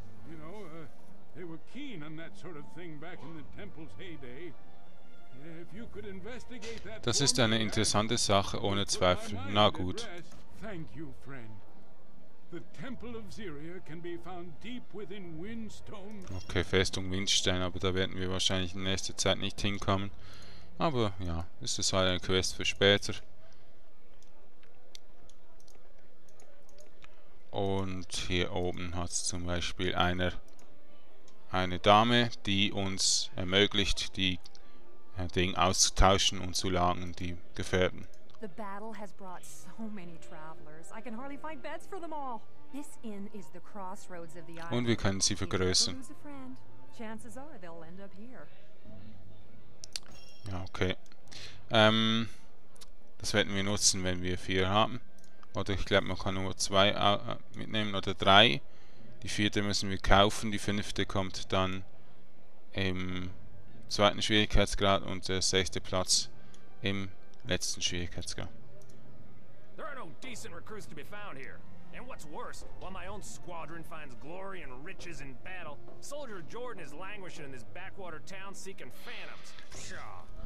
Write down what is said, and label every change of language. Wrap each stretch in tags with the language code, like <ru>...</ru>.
<en>You know, they were keen on that sort of thing back in the temple's heyday. If you could investigate that...</en> <de>Das ist eine interessante Sache, ohne Zweifel. Na gut.</de> <en>Thank you, friend. The Temple of Xeria can be found deep within Windstone.</en> <de>Okay, Festung Windstein, aber da werden wir wahrscheinlich in nächster Zeit nicht hinkommen. Aber ja, ist das halt eine Quest für später. Und hier oben hat es zum Beispiel eine Dame, die uns ermöglicht, die Ding auszutauschen und zu lagen, die Gefährten.</de> <en>The battle has brought so many travelers. I can hardly find beds for them all. This inn is the crossroads of the island.</en> <de>Und wir können sie vergrößern.</de> <en>Who's a friend? Chances are they'll end up here.</en> <de>Ja, okay. Das werden wir nutzen, wenn wir vier haben. Oder ich glaube, man kann nur zwei mitnehmen oder drei. Die vierte müssen wir kaufen. Die fünfte kommt dann im zweiten Schwierigkeitsgrad und der sechste Platz im letzten Schwierigkeitsgrad.</de> <en>There are no decent recruits to be found here. And what's worse, while my own squadron finds glory and riches in battle, Soldier Jordan is languishing in this backwater town seeking phantoms. Pshaw.</en>